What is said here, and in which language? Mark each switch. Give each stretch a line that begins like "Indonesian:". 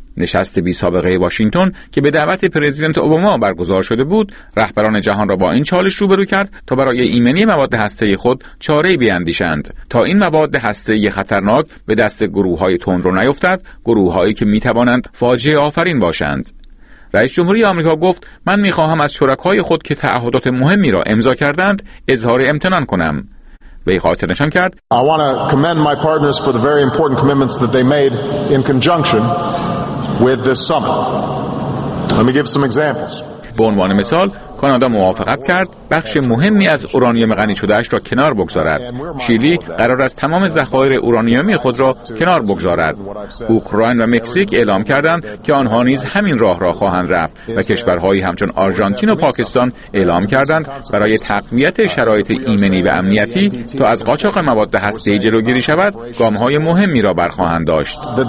Persian: نشست بی‌سابقه واشنگتن که به دعوت پرزیدنت اوباما برگزار شده بود، رهبران جهان را با این چالش روبرو کرد تا برای ایمنی مواد هسته‌ای خود چاره‌ای بیندیشند. تا این مواد هسته‌ای خطرناک به دست گروه‌های تندرو نیفتد، گروه‌هایی که می‌توانند فاجعه آفرین باشند. رئیس جمهوری آمریکا گفت من می‌خواهم از شرکای خود که تعهدات مهمی را امضا کردند، اظهار امتنان کنم. وی خاطر نشان کرد:
English: I want to commend my partners for the very important commitments that they made in conjunction with this summit. Let me give some examples.
Persian: به عنوان مثال کانادا موافقت کرد بخش مهمی از اورانیوم غنی شدهش را کنار بگذارد. شیلی قرار است تمام ذخایر اورانیومی خود را کنار بگذارد. اوکراین و مکزیک اعلام کردند که آنها نیز همین راه را خواهند رفت و کشورهایی همچون آرژانتین و پاکستان اعلام کردند برای تقویت شرایط ایمنی و امنیتی تا از قاچاق مواد هسته‌ای جلوگیری شود گام‌های مهمی را برخواهند داشت.